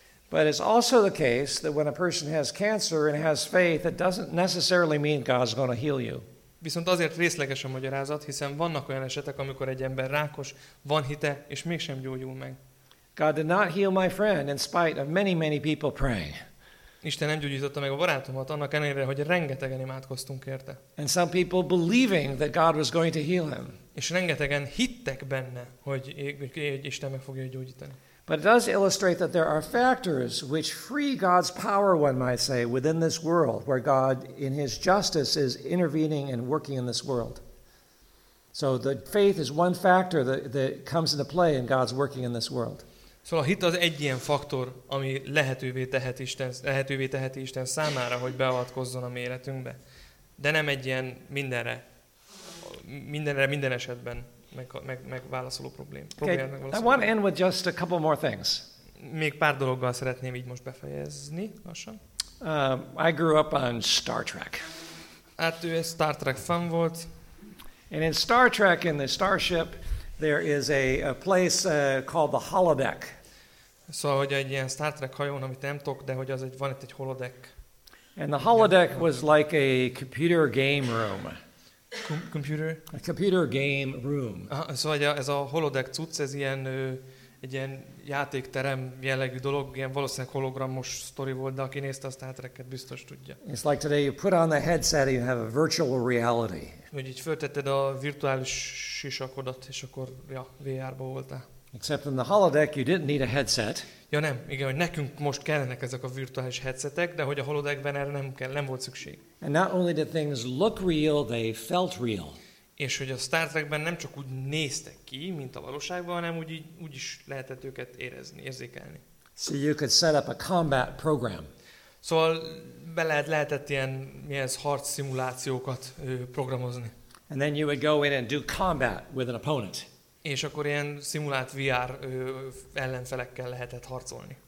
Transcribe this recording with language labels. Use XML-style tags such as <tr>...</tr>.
<en>But it's also the case that when a person has cancer and has faith, it doesn't necessarily mean God's going to heal you.</en> <hu>Viszont azért részleges a magyarázat, hiszen vannak olyan esetek, amikor egy ember rákos, van hite, és mégsem gyógyul meg.</hu> <en>God did not heal my friend in spite of many, many people praying.</en> <hu>Isten nem gyógyította meg a barátomat, annak ellenére, hogy rengetegen imádkoztunk érte.</hu> <en>And some people believing that God was going to heal him.</en> <hu>És rengetegen hittek benne, hogy Isten meg fogja gyógyítani.</hu> <en>But it does illustrate that there are factors which free God's power, one might say, within this world, where God, in his justice, is intervening and working in this world. So the faith is one factor that comes into play in God's working in this world.</en> <hu>Szóval a hit az egy ilyen faktor, ami lehetővé teheti Isten számára, hogy beavatkozzon a mi életünkbe. De nem egy ilyen mindenre minden esetben megválaszoló probléma.</hu> <en>Okay. I want to end with just a couple more things.</en> <hu>Még pár dologgal szeretném így most befejezni, lassan.</hu> <en>I grew up on Star Trek.</en> <hu>Hát ő egy Star Trek fan volt.</hu> <en>And in Star Trek, in the starship, There is a place called the holodeck.</en> <hu>Szóval, hogy egy ilyen Star Trek hajón, amit nem tudok, de hogy az egy van itt egy holodeck.</hu> <en>And the holodeck was like a computer game room. Computer? A computer game room.</en> <hu>Aha, szóval ez a holodeck cucc, ez ilyen egy ilyen játékterem jellegű dolog, ilyen valószínűleg hologramos sztori volt, de aki nézte a Star Trek-et, biztos tudja.</hu> <en>It's like today you put on the headset and you have a virtual reality.</en> <hu>Úgy így föltetted a virtuális sisakodat, és akkor ja, VR-ba voltál.</hu> <en>Except in the holodeck you didn't need a headset.</en> <hu>Ja nem, igen, hogy nekünk most kellenek ezek a virtuális headsetek, de hogy a holodeckben erre nem kell, nem volt szükség.</hu> <en>And not only did things look real, they felt real.</en> <hu>És hogy a Star Trekben nem csak úgy néztek ki, mint a valóságban, hanem úgy is lehetett őket érezni, érzékelni.</hu> <en>So you could set up a combat program.</en> <hu>Szóval lehetett ilyen harc szimulációkat programozni.</hu> <en>And then you would go in and do combat with an opponent.</en> <hu>És akkor ilyen szimulált VR ellenfelekkel lehetett harcolni.</hu>